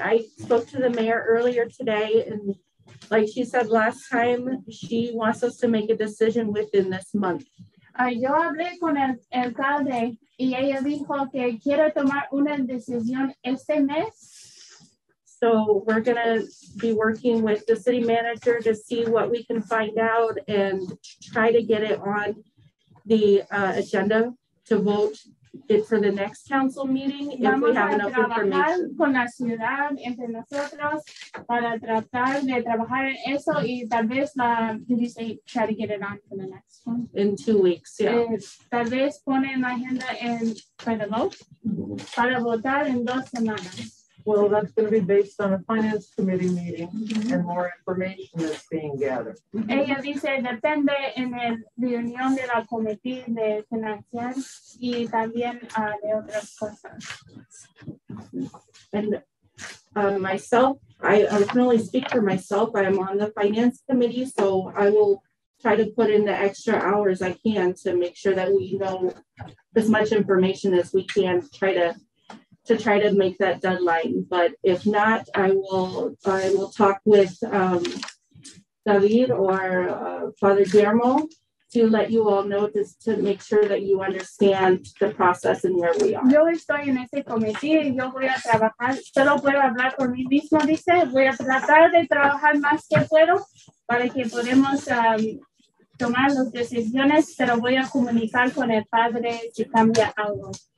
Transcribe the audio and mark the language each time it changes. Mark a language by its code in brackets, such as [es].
[en] I spoke to the mayor earlier today, and like she said last time, she wants us to make a decision within this month. [es] Yo hablé con el alcalde y ella dijo que quiere tomar una decisión este mes. [en] So we're going to be working with the city manager to see what we can find out and try to get it on the agenda to vote it for the next council meeting if [es] Vamos [en] we have enough information. [es] Con la ciudad entre nosotros para tratar de trabajar en eso y tal vez la, [en] did you say try to get it on for the next one? In 2 weeks, yeah. [es] Tal vez pone en la agenda en, [en] for the vote, [es] para votar en dos semanas. [en] Well, that's going to be based on a finance committee meeting mm-hmm. and more information that's being gathered. [es] Ella dice, depende en el reunión de la comitiva de financiación y también de otras cosas. [en] And myself, I can only speak for myself. I'm on the finance committee, so I will try to put in the extra hours I can to make sure that we know as much information as we can try to make that deadline. But if not, I will talk with David or Father Guillermo to let you all know this, to make sure that you understand the process and where we are. [es] Yo estoy en este comité y yo voy a trabajar. Solo puedo hablar por mí mismo, dice. Voy a tratar de trabajar más que puedo para que podamos tomar las decisiones, pero voy a comunicar con el padre si cambia algo.